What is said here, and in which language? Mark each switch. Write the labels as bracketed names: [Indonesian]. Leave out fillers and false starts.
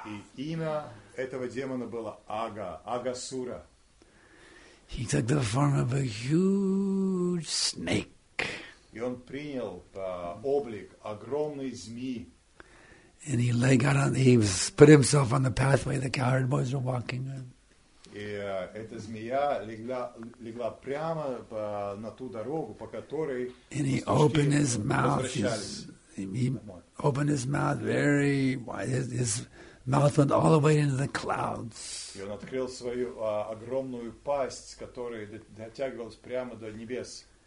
[Russian] И имя этого демона было Ага, Агасура. [English] He took the form of a huge snake. [Russian] И он принял облик огромной змеи. [English] And he lay got on, he put himself on the pathway the cowherd boys were walking on. [Russian] И эта змея легла прямо на ту дорогу, по которой. [English] And he opened his mouth. He opened his mouth very wide. His mouth went all the way into the clouds. [Russian] И он открыл свою огромную пасть, которая дотягивалась прямо до небес.